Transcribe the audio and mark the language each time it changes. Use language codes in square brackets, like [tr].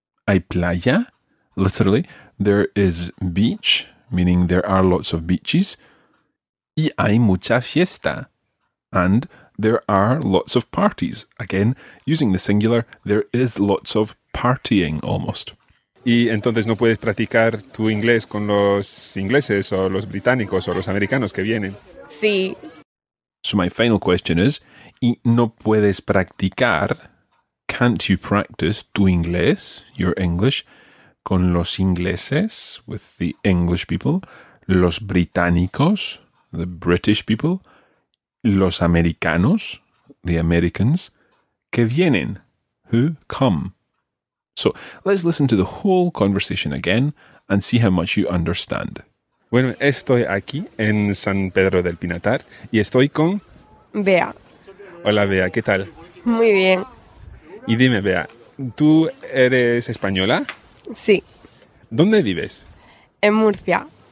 [es] Hay playa? [en] Literally, there is beach, meaning there are lots of beaches. [es] Y hay mucha fiesta. [en] And there are lots of parties. Again, using the singular, there is lots of partying, almost. [es] ¿Y entonces no puedes practicar tu inglés con los ingleses o los británicos o los americanos que vienen? Sí. [en] So my final question is, [es] ¿y no puedes practicar, [en] can't you practice [es] tu inglés, [en] your English, [es] con los ingleses, [en] with the English people, [es] los británicos, [en] the British people, [es] los americanos, [en] the Americans, [es] que vienen, [en] who come? So, let's listen to the whole conversation again and see how much you understand. [es] Bueno, estoy aquí en San Pedro del Pinatar y estoy con... Bea. Hola, Bea, ¿qué tal? Muy bien. Y dime, Bea, ¿tú eres española? Sí. ¿Dónde vives? En Murcia.